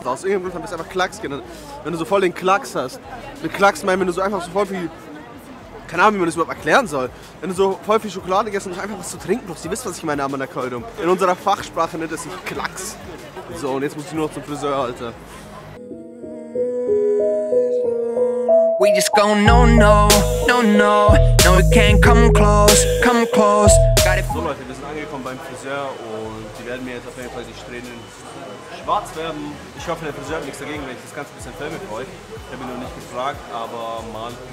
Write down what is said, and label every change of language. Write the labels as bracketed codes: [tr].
[de] Aus irgendeinem Grund bist du einfach Klacks genannt. Wenn du so voll den Klacks hast. Mit Klacks meinen, wenn du so einfach so voll viel. Keine Ahnung, wie man das überhaupt erklären soll. Wenn du so voll viel Schokolade gegessen und einfach was zu trinken brauchst, ihr wisst, was ich meine, Amanda Koldum. In unserer Fachsprache nennt es sich Klacks. So, und jetzt muss ich nur noch zum Friseur, Alter. [en] We just go no, no, no, no, no, we can't come close, come close. [de] So Leute, wir sind angekommen beim Friseur und die werden mir jetzt auf jeden Fall die Strähnen schwarz werden. Ich hoffe, der Friseur hat nichts dagegen, wenn ich das Ganze ein bisschen filme für euch. Ich habe ihn noch nicht gefragt, aber mal.